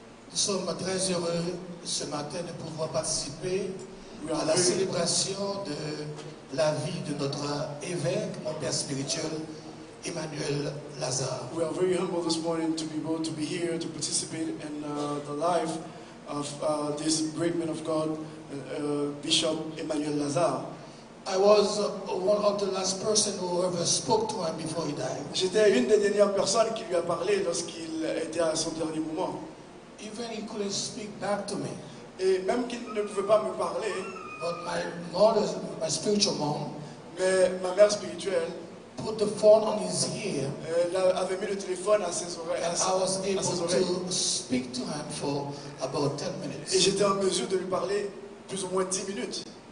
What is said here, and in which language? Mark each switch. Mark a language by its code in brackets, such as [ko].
[fr] Nous sommes très heureux ce matin de pouvoir participer à la célébration de la vie de notre évêque, mon père spirituel, Emmanuel Lazare. [en] We are very humble this morning to be able to be here to participate in the life of this great man of God, Bishop Emmanuel Lazare. I was one of the last person who ever spoke to him before he died. [fr] J'étais une des dernières personnes qui lui a parlé lorsqu'il était à son dernier moment. [en] Even he couldn't speak back to me. [fr] Et même qu'il ne pouvait pas me parler, [en] but my mother, my spiritual mom, [fr] mais ma mère spirituelle, [en] put the phone on his ear. [fr] Elle avait mis le téléphone à ses oreilles. [en] And I was able to speak to him for about 10 minutes. [fr] Et j'étais en mesure de lui parler plus ou moins 10 minutes.